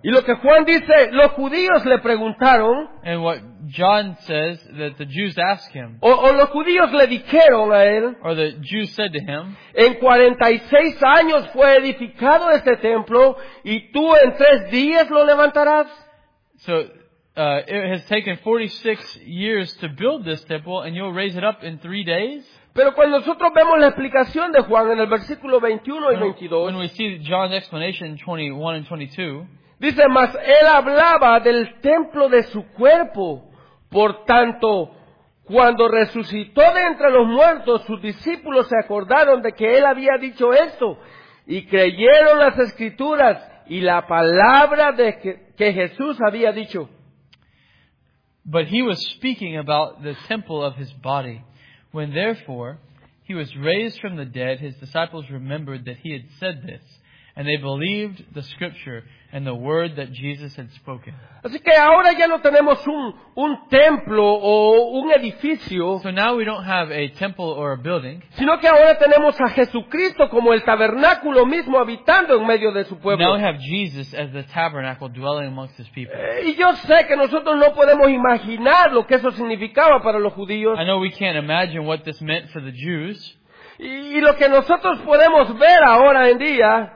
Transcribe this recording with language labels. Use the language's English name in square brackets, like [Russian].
[Spanish] Y lo que Juan dice, los judíos le preguntaron, [English] and what John says that the Jews asked him, [Spanish] o los judíos le dijeron a él, [English] or the Jews said to him, [Spanish] en 46 años fue edificado este templo y tú en 3 días lo levantarás. [English] So it has taken 46 years to build this temple and you'll raise it up in 3 days. [Spanish] Pero cuando nosotros vemos la explicación de Juan en el versículo 21 y 22, [English] when we see John's explanation in 21 and 22, [Spanish] dice, mas él hablaba del templo de su cuerpo, por tanto cuando resucitó de entre los muertos sus discípulos se acordaron de que él había dicho esto y creyeron las escrituras y la palabra de que Jesús había dicho. [English] But he was speaking about the temple of his body. When therefore he was raised from the dead, his disciples remembered that he had said this, and they believed the scripture and the word that Jesus had spoken. [Spanish] Así que ahora ya no tenemos un templo o un edificio. [English] So now we don't have a temple or a building. [Spanish] Sino que ahora tenemos a Jesucristo como el tabernáculo mismo habitando en medio de su pueblo. [English] Now we have Jesus as the tabernacle dwelling amongst his people. [Spanish] Y yo sé que nosotros no podemos imaginar lo que eso significaba para los judíos. [English] I know we can't imagine what this meant for the Jews. [Spanish] Y lo que nosotros podemos ver ahora en día,